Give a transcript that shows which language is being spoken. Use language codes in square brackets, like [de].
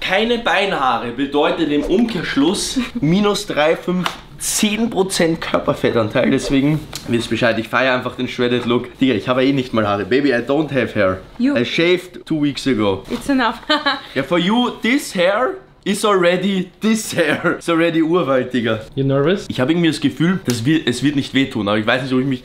[de] Keine Beinhaare bedeutet im Umkehrschluss minus 10% Körperfettanteil, deswegen, wisst Bescheid, ich feiere einfach den shredded Look. Digga, ich habe eh nicht mal Haare. [en] Baby, I don't have hair. You. I shaved 2 weeks ago. It's enough. Yeah, for you, this hair is already Urwald, Digga. You nervous? [de] Ich habe irgendwie das Gefühl, es wird nicht wehtun, aber ich weiß nicht, ob ich mich...